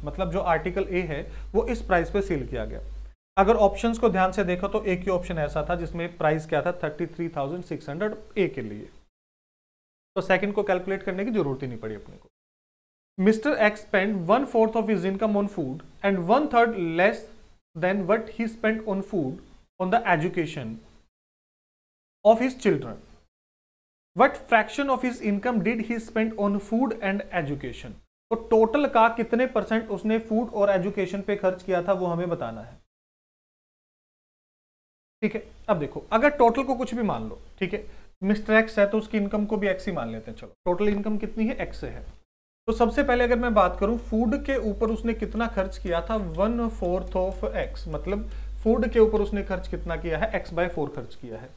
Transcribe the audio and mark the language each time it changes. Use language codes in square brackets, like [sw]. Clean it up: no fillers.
[hi] मतलब जो article a है वो इस प्राइस पे सेल किया गया. अगर ऑप्शंस को ध्यान से देखो तो एक ही ऑप्शन ऐसा था जिसमें प्राइस क्या था, 33,600 ए के लिए. तो सेकंड को कैलकुलेट करने की जरूरत ही नहीं पड़ी अपने को. [en] Mister X spend 1/4 of his income on food and 1/3 less than what he spend on food on the education of his children. What fraction of his income did he spend on food and education? [hi] तो total का कितने percent उसने food और education पे खर्च किया था वो हमें बताना है. ठीक है, अब देखो अगर total को कुछ भी मान लो, ठीक है Mr. X है तो उसकी income को भी X ही मान लेते हैं. चलो total income कितनी है, X है. तो सबसे पहले अगर मैं बात करूं food के ऊपर उसने कितना खर्च किया था, 1/4 of X, मतलब food के ऊपर उसने खर्च कितना किया है, X by 4 खर्च किया है.